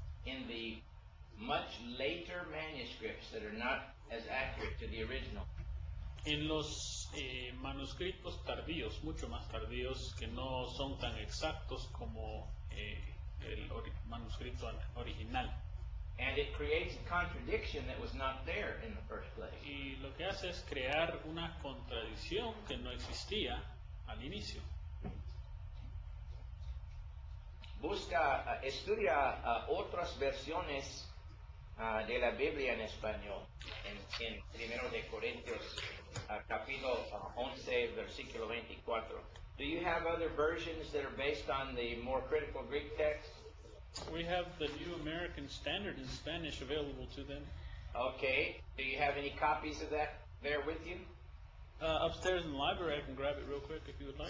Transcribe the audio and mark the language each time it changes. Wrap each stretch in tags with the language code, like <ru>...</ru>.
<en>In the much later manuscripts that are not as accurate to the original.</en> <es>En los manuscritos tardíos, mucho más tardíos, que no son tan exactos como el manuscrito original.</es> <en>And it creates a contradiction that was not there in the first place.</en> <es>Y lo que hace es crear una contradicción que no existía al inicio. Busca, estudia otras versiones de la Biblia en español, en Primero de Corintios, capítulo 11, versículo 24.</es> <en>Do you have other versions that are based on the more critical Greek text? We have the New American Standard in Spanish available to them. Okay. Do you have any copies of that there with you? Upstairs in the library, I can grab it real quick if you would like.</en>